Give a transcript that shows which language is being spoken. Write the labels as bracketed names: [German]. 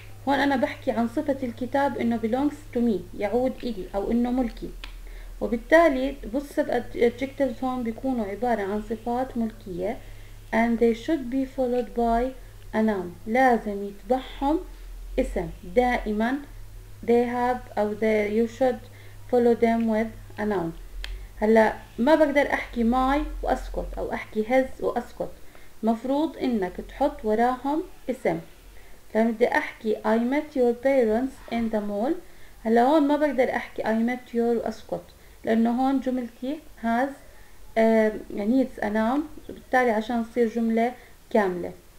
[Arabic] هون انا بحكي عن صفة الكتاب انه [English] belongs to me، [Arabic] يعود الي او انه ملكي. وبالتالي [English] possessive adjectives [Arabic] هون بيكونوا عبارة عن صفات ملكية [English] and they should be followed by a noun، [Arabic] لازم يتبعهم اسم دائما. [English] they have أو you should follow them with a noun. [Arabic] هلا ما بقدر احكي my واسكت او احكي his واسكت، مفروض انك تحط وراهم اسم. لما بدي احكي [English] I met your parents in the mall، [Arabic] هلا هون ما بقدر احكي [English] I met your [Arabic] واسكت، لأنه هون جملتي [English] has needs a noun، [Arabic] وبالتالي عشان تصير جملة كاملة.